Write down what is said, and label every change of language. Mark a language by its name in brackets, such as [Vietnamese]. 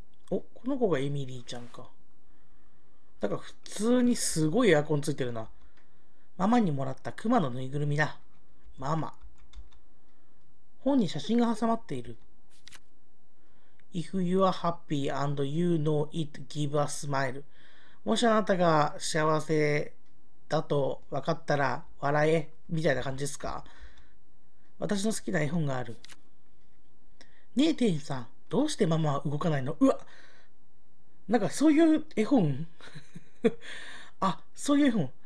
[Japanese] お、この子がエミリーちゃんか。なんか普通にすごいエアコンついてるな。ママにもらったクマのぬいぐるみだ。ママ。本に写真が挟まっている。 [English] If you are happy and you know it, give a smile. [Japanese] もしあなたが幸せだと分かったら笑え、みたいな感じですか。私の好きな絵本がある。ねえ、店員さん、どうしてママは動かないの？うわ、なんかそういう絵本あ、そういう絵本。